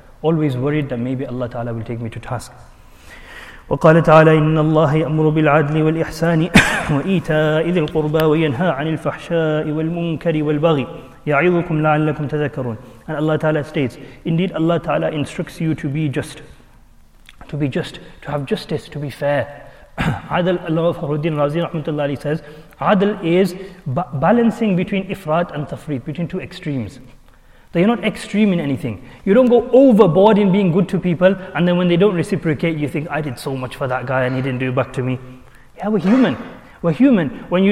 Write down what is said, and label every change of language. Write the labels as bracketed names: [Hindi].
[English] Always worried that maybe Allah Ta'ala will take me to task. [Arabic] وقال تعالى إن الله يأمر بالعدل والإحسان وإيتاء ذي القربى وينهى عن الفحشاء والمنكر والبغي يعظكم لعلكم تذكرون. [English] And Allah Ta'ala states, indeed Allah Ta'ala instructs you to be just, to be just, to have justice, to be fair. Adl, Allah Fakhruddin Razi rahmatullahi alayhi says, Adl is balancing between ifrat and tafrit, between two extremes. So you're not extreme in anything. You don't go overboard in being good to people, and then when they don't reciprocate, you think, I did so much for that guy and he didn't do it back to me. Yeah, we're human. We're human.